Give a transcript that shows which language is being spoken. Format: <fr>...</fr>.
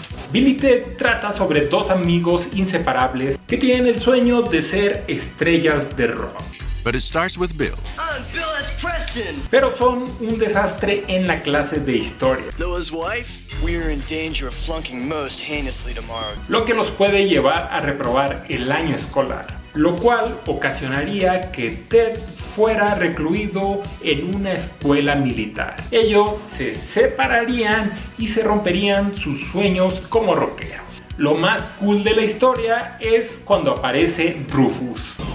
<es>Billy Ted trata sobre dos amigos inseparables que tienen el sueño de ser estrellas de rock.</es> <en>But it starts with Bill. I'm Bill S. Preston.</en> <es>Pero son un desastre en la clase de historia.</es> <en>Noah's wife? We're in danger of flunking most heinously tomorrow.</en> <es>Lo que los puede llevar a reprobar el año escolar, lo cual ocasionaría que Ted fuera recluido en una escuela militar. Ellos se separarían y se romperían sus sueños como rockeros. Lo más cool de la historia es cuando aparece Rufus.</es>